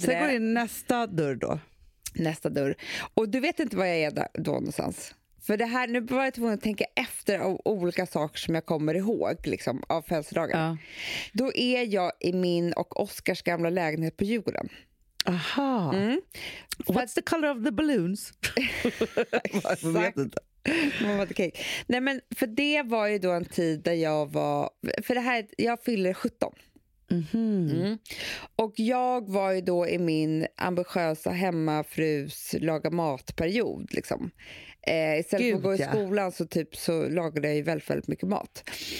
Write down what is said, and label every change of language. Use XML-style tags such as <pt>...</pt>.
<sv>Sen går det nästa dörr då. Nästa dörr. Och du vet inte vad jag är då någonstans. För det här, nu var jag tvungen att tänka efter av olika saker som jag kommer ihåg liksom, av födelsedagen. Ja. Då är jag i min och Oscars gamla lägenhet på Djurgården. Aha. Mm.</sv> <en>What's the color of the balloons?</en> <sv>Exakt. Okay. Nej, men för det var ju då en tid där jag var, för det här, jag fyller 17. Mm-hmm. Mm. Och jag var ju då i min ambitiösa hemmafrus laga matperiod liksom. Istället för att gå i skolan så typ så lagade jag ju väldigt, väldigt mycket mat.</sv>